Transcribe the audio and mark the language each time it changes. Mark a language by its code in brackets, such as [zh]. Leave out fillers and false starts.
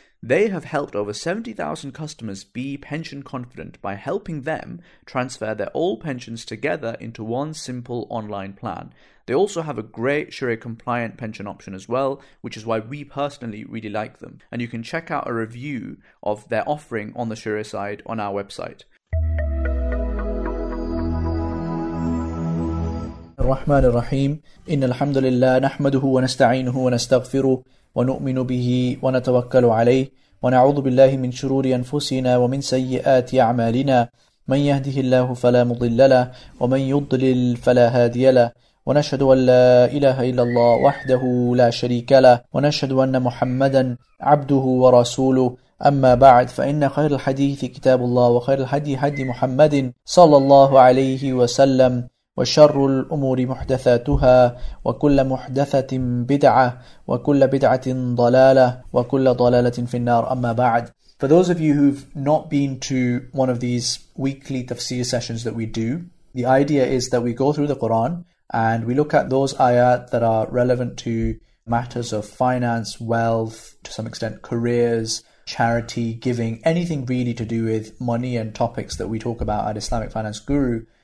[en] They have helped over 70,000 customers be pension confident by helping them transfer their old pensions together into one simple online plan. They also have a great Sharia-compliant pension option as well, which is why we personally really like them. And you can check out a review of their offering on the Sharia side on our website. [ar] الرحمن الرحيم إن الحمد لله نحمده ونستعينه ونستغفره ونؤمن به ونتوكل عليه ونعوذ بالله من شرور أنفسنا ومن سيئات أعمالنا من يهده الله فلا مضل له ومن يضلل فلا هادي له ونشهد أن لا إله إلا الله وحده لا شريك له ونشهد أن محمدا عبده ورسوله أما بعد فإن خير الحديث كتاب الله وخير الهدي هدي محمد صلى الله عليه وسلم وشر الأمور محدثاتها وكل محدثة بدعة وكل بدعة ضلالة وكل ضلالة في النار أما بعد. [en] For those of you who've not been to one of these weekly tafsir sessions that we do, the idea is that we go through the Quran and we look at those ayat that are relevant to matters of finance, wealth, to some extent careers, charity, giving, anything really to do with money and topics that we talk about at Islamic Finance Guru,